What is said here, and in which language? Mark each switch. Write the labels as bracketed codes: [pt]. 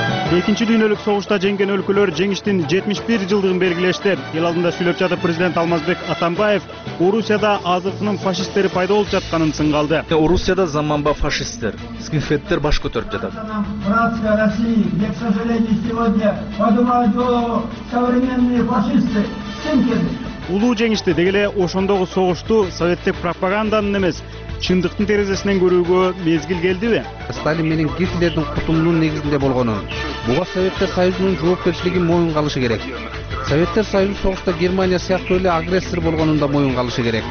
[ky] Экинчи дүйнөлүк согушта жеңген өлкөлөр жеңиштин 71 жылдыгын белгилешти. Эл алдында сүйлөп жатып президент Алмазбек Атамбаев Орусияда азыркынын фашисттери пайда болуп жатканын сынга алды. Орусияда заманба фашисттер, скинхеддер баш көтөрүп жатат. [ru] Братская Россия, к сожалению, сегодня поднимают голову современные фашисты. Скинхеды. [ky] Улуу жеңишти деги эле ошондогу согушту советтик пропагандадан эмес чындыктын терезесинен көрүүгө мезгил келдиби? Сталин менен Гитлердин кутумунун негизинде болгонун, буга Советтер Союзунун жоопкерчилиги моюнга алышы керек. Советтер Союзу согушта Германия сыяктуу эле агрессор болгонун да моюнга алышы керек.